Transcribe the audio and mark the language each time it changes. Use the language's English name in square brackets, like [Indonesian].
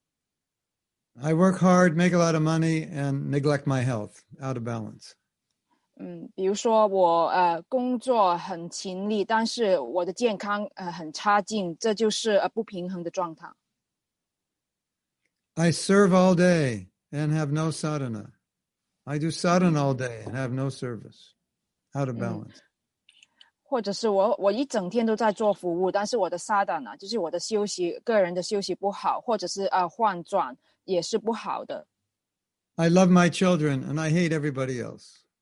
[Chinese] 换句话说呢，就是你不会为了做好某一些事情而令到你其他的事情变得差。 [English] I work hard, make a lot of money, and neglect my health, out of balance. [Chinese] 比如说我工作很勤力，但是我的健康很差劲，这就是不平衡的状态。 [English] I serve all day and have no sadhana. I do sadhana all day and have no service, out of balance. [Chinese] 或者是我一整天都在做服务，但是我的sadhana，就是我的休息，个人的休息不好，或者是换转，也是不好的。 [English] I love my children, and I hate everybody else.